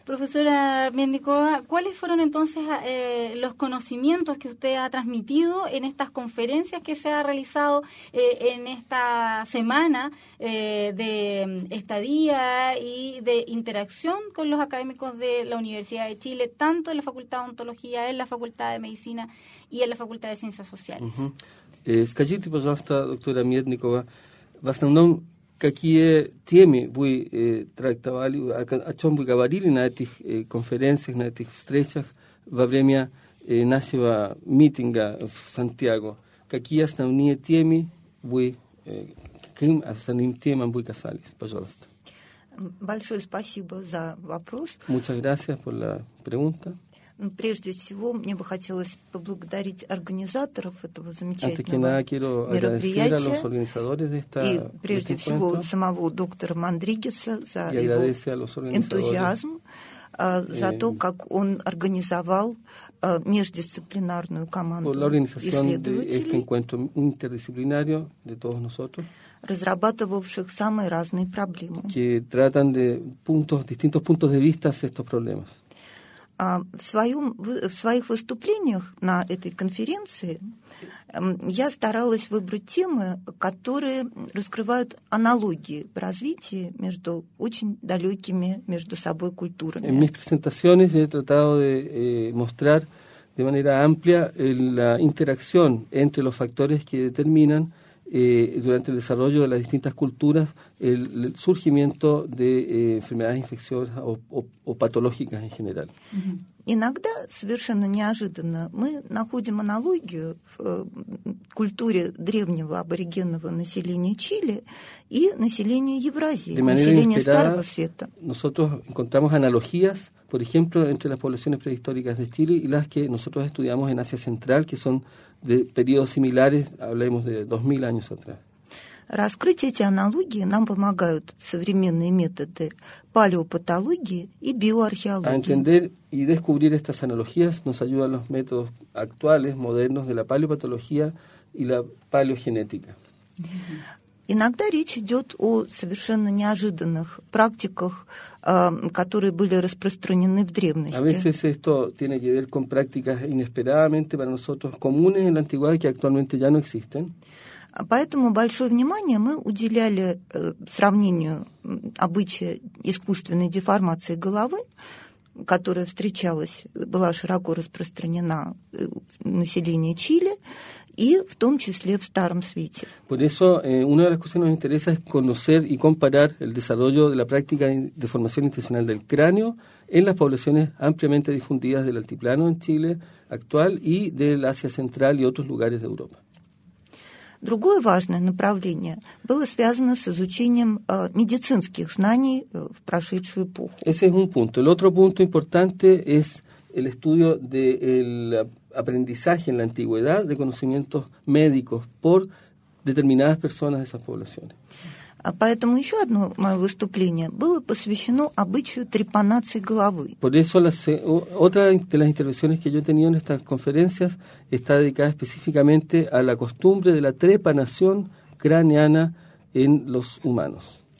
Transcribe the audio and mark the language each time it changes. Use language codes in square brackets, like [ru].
[es] Profesora Mietnikova, ¿cuáles fueron entonces los conocimientos que usted ha transmitido en estas conferencias que se ha realizado en esta semana de estadía y de interacción con los académicos de la Universidad de Chile, tanto en la Facultad de Odontología, en la Facultad de Medicina y en la Facultad de Ciencias Sociales? Uh-huh. [ru] Скажите, пожалуйста, doctora Мєдникова, в основном, какие темы вы трактовали, о чем вы говорили на этих конференциях, на этих встречах во время нашего митинга в Сантьяго? Какие основные темы вы, каким основным темам вы касались, пожалуйста? Большое спасибо за вопрос. [es] Muchas gracias por la pregunta. [ru] Прежде всего, мне бы хотелось поблагодарить организаторов этого замечательного мероприятия. [es] A los organizadores de esta, [ru] и прежде [es] de [ru] всего, [es] encuentro. [ru] Самого доктора Мандригеса за его энтузиазм, за то, как он организовал междисциплинарную команду исследователей, разрабатывавших самые разные проблемы. [es] Que tratan de puntos, distintos puntos de vista estos problemas. [ru] В своих выступлениях на этой конференции я старалась выбрать темы, которые раскрывают аналогии в развитии между очень далекими между собой культурами. [es] En mis presentaciones he tratado de mostrar de manera amplia la interacción entre los factores que determinan durante el desarrollo de las distintas culturas el surgimiento de enfermedades infecciosas o patológicas en general. [ru] Иногда совершенно неожиданно мы находим аналогию в культуре древнего аборигенного населения Чили и населения Евразии, населения Старого Света. [es] Nosotros encontramos analogías, por ejemplo, entre las poblaciones prehistóricas de Chile y las que nosotros estudiamos en Asia Central, que son de periodos similares, hablemos de 2000 años atrás. [ru] Раскрыть эти аналогии нам помогают современные методы палеопатологии и биоархеологии. [es] A entender y descubrir estas analogías nos ayudan los métodos actuales, modernos de la paleopatología y la paleogenética. [ru] Иногда речь идет о совершенно неожиданных практиках, которые были распространены в древности. [es] A veces esto tiene que ver con prácticas inesperadamente para nosotros comunes en la antigüedad que actualmente ya no existen. [ru] Поэтому большое внимание мы уделяли сравнению обычая искусственной деформации головы, которая встречалась, была широко распространена в населении Чили и в том числе в Старом Свете. [es] Por eso, una de las cosas que nos interesa es conocer y comparar el desarrollo de la práctica de deformación intestinal del cráneo en las poblaciones ampliamente difundidas del altiplano en Chile actual y del Asia Central y otros lugares de Europa. [ru] Другое важное направление было связано с изучением медицинских знаний в прошедшую эпоху. [es] Ese es un punto. El otro punto importante es el estudio del aprendizaje en la antigüedad de conocimientos médicos por determinadas personas de esas poblaciones. [ru] Поэтому еще одно мое выступление было посвящено обычаю трепанации головы. [es] Por eso otra de las intervenciones que yo he tenido en estas conferencias está dedicada específicamente a la costumbre de la trepanación craneana en los humanos.